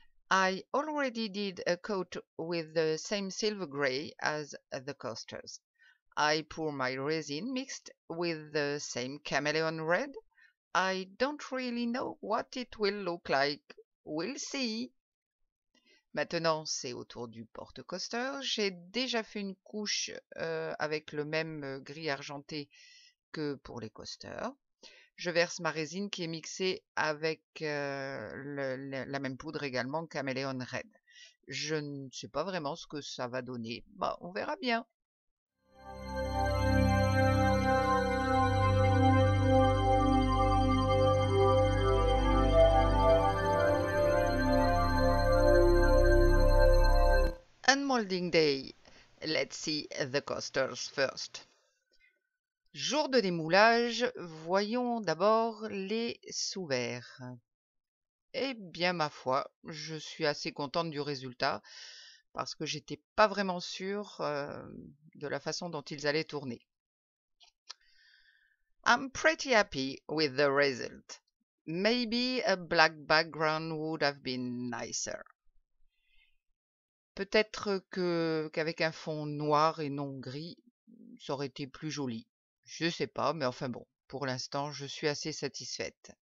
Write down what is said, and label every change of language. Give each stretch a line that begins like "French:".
English: I already did a coat with the same silver gray as the coasters. I pour my resin mixed with the same chameleon red. I don't really know what it will look like. We'll see.
French: Maintenant, c'est au tour du porte-coaster. J'ai déjà fait une couche avec le même gris argenté que pour les coasters. Je verse ma résine qui est mixée avec la même poudre également, Chameleon Red. Je ne sais pas vraiment ce que ça va donner. Bah, on verra bien.
English: Unmolding day. Let's see the coasters first.
French: Jour de démoulage, voyons d'abord les sous-verres. Eh bien, ma foi, je suis assez contente du résultat parce que j'étais pas vraiment sûre de la façon dont ils allaient tourner.
English: I'm pretty happy with the result. Maybe a black background would have been nicer.
French: Peut-être qu'avec un fond noir et non gris, ça aurait été plus joli. Je sais pas, mais enfin bon, pour l'instant, je suis assez satisfaite.